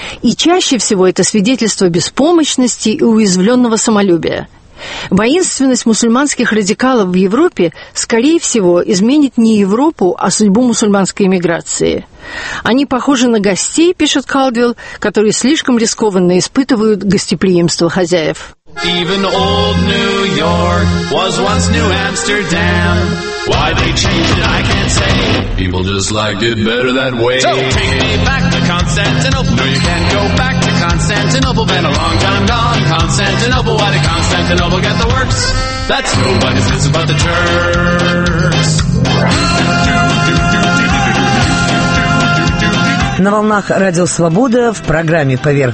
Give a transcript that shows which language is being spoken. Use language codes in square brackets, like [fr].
[ru] И чаще всего это свидетельство беспомощности и уязвленного самолюбия. Воинственность мусульманских радикалов в Европе, скорее всего, изменит не Европу, а судьбу мусульманской эмиграции. «Они похожи на гостей, — пишет Калдвелл, — которые слишком рискованно испытывают гостеприимство хозяев». [en] Even old New York was once New Amsterdam. Why they changed it, I can't say. People just liked it better that way. So take me back to Constantinople. No, you can't go back to Constantinople. Been a long time gone, Constantinople. Why did Constantinople get the works? That's nobody's business but the Turks. [ru] На волнах Радио Свобода в программе «Поверх